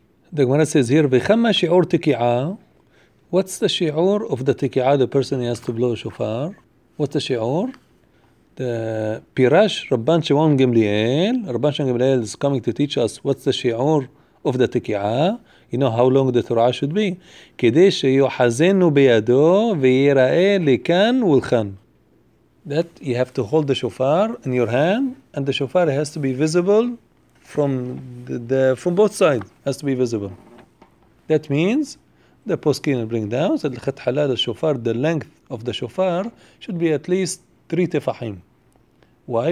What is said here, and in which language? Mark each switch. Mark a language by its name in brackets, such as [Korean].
[English] The Gemara says here, [Hebrew] "V'chama shi'ur tiki'a." [English] What's the shi'ur of the tiki'a? The person who has to blow a shofar. What's the shi'ur? The Pirash Rabban Shimon Gamliel. Rabban Shimon Gamliel is coming to teach us what's the shi'ur of the tiki'a. You know how long the Torah should be? [Hebrew] כדי שיוחזנו בידו ויראה לכאן ולכאן. [English] That you have to hold the shofar in your hand, and the shofar has to be visible from from both sides has to be visible. That means the poskim bring down that the chathalad shofar, the length of the shofar should be at least 3 tefachim. Why?